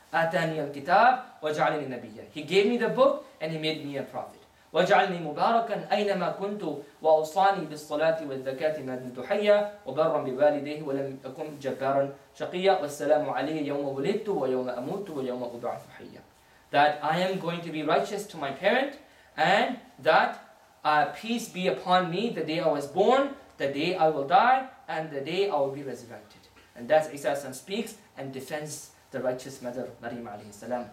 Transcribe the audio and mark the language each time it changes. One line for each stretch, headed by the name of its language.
Arabic: أتاني الكتاب وجعلني نبيا.
English: He gave me the book and he made me a prophet.
Arabic: وجعلني مباركا أينما كنت وأوصاني بالصلاة والزكاة ما دمت حيا وبرا بوالديه ولم أكن جبارا شقيا والسلام علي يوم ولدت ويوم أموت ويوم أبعث حيا.
English: That I am going to be righteous to my parent and that peace be upon me the day I was born, the day I will die, and the day I will be resurrected. And that's Isa speaks and defends the righteous mother, Maryam alayhi salam.